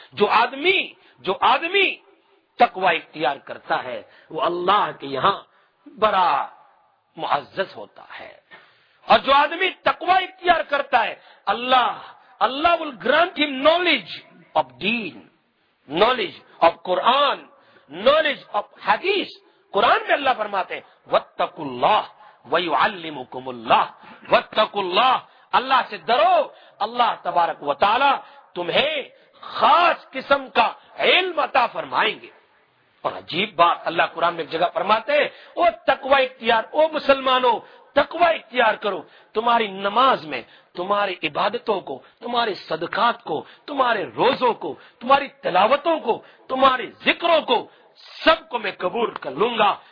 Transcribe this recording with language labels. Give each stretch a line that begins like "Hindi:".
Urdu: جو آدمی تقوی اختیار کرتا ہے وہ اللہ کے یہاں بڑا معزز ہوتا ہے. اور جو آدمی تقوی اختیار کرتا ہے
English: Allah will grant him knowledge of deen, knowledge of Quran, knowledge of hadith.
Urdu: قرآن میں اللہ فرماتے ہیں
Arabic: وَاتَّقُوا اللَّهَ وَيُعَلِّمُكُمُ اللَّهَ وَاتَّقُوا اللَّهَ
Urdu: اللہ سے ڈرو اللہ تبارک و تعالی تمہیں خاص قسم کا علم عطا فرمائیں گے. اور عجیب بات اللہ قرآن میں ایک جگہ فرماتے ہیں او تقوی اختیار او مسلمانوں تقوی اختیار کرو تمہاری نماز میں تمہاری عبادتوں کو تمہارے صدقات کو تمہارے روزوں کو تمہاری تلاوتوں کو تمہارے ذکروں کو سب کو میں قبول کر لوں گا.